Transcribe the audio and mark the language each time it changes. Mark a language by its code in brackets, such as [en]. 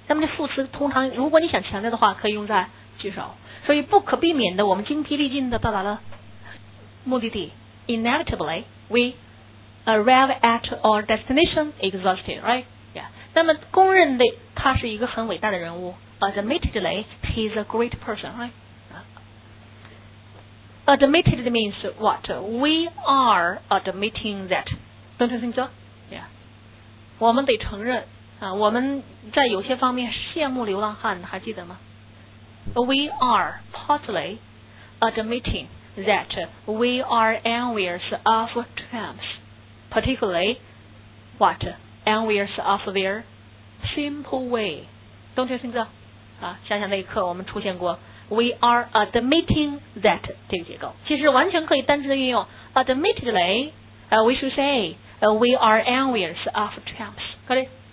[zh] 那么这副词通常，如果你想强调的话，可以用在句首。所以不可避免的，我们精疲力尽的到达了目的地。 [en] Inevitably, we arrive at our destination exhausted, right? Yeah. [zh] 那么公认的他是一个很伟大的人物。 [en] Admittedly, he's a great person, right? Admitted means what? We are admitting that. Don't you think so? Yeah. [zh] 我们得承认、啊、我们在有些方面羡慕流浪汉，还记得吗？ [en] We are partly admitting that we are envious of tramps. Particularly, what? Envious of their simple way. Don't you think so?、 [zh] 啊、想想那一刻我们出现过 [en] We are admitting that [zh] 这个结构，其实完全可以单纯的运用 [en] admittedly、we should say、we are envious of tramps. Got it?